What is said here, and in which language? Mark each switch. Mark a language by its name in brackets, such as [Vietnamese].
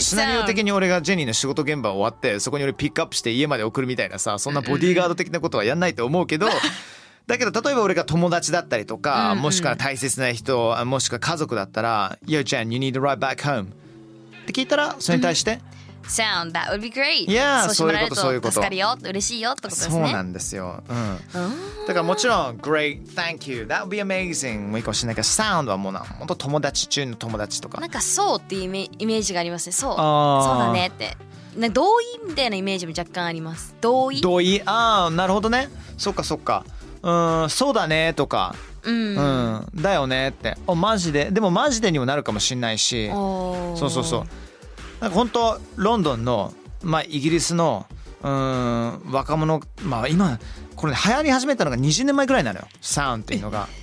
[Japanese] シナリオ的に俺がジェニーの仕事現場終わってそこに俺ピックアップして家まで送るみたいなさ、そんなボディーガード的なことはやんないと思うけど。だけど例えば俺が友達だったりとか、うんうん、もしくは大切な人、もしくは家族だったら、 [English] Yo, Jen, you need to ride back home. [Japanese] って聞いたら、それに対して、 [English] Sound, that would be great. [Japanese] Yeah, そういうこと、そういうこと。そういうこと、助かるよ、嬉しいよってことですね。そうなんですよ。うん。だからもちろん、 [English] Great, thank you, that would be amazing. [Japanese] もう一個しないけど、Sound はもうな、本当友達中の友達とか。なんか、そうっていうイメージがありますね。そう。そうだねって。なんか同意みたいなイメージも若干あります。同意。同意。ああ、なるほどね。そっかそっか。うん、そうだねとか、うんうん、だよねって、おマジで、でもマジでにもなるかもしんないし、そうそうそう、なんか本当ロンドンの、まあ、イギリスの、うん、若者、まあ、今これ、ね、流行り始めたのが20年前ぐらいなのよ、サウンっていうのが。